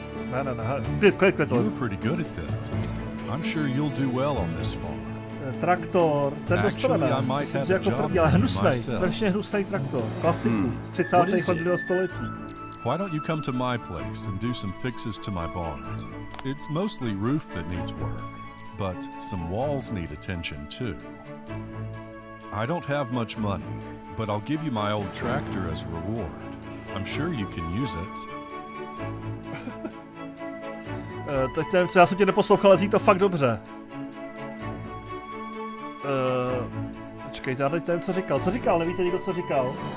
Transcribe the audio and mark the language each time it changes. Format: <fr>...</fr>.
<en>You're pretty good at this. I'm sure you'll do well on this farm.</en> <cs>Traktor, ten dostaneme. Myslím, že jako první, ale hnusnej, strašně hnusnej traktor. Klasiku, z 30. let 20. století.</cs> <en>Why don't you come to my place and do some fixes to my barn? It's mostly roof that needs work, but some walls need attention too. I don't have much money, but I'll give you my old tractor as a reward. I'm sure you can use it.</en> <cs>Teď nevím, co, já jsem tě neposlouchal, zní to fakt dobře. Počkejte, já teď nevím, co říkal. Co říkal? Nevíte nikdo, co říkal?</cs>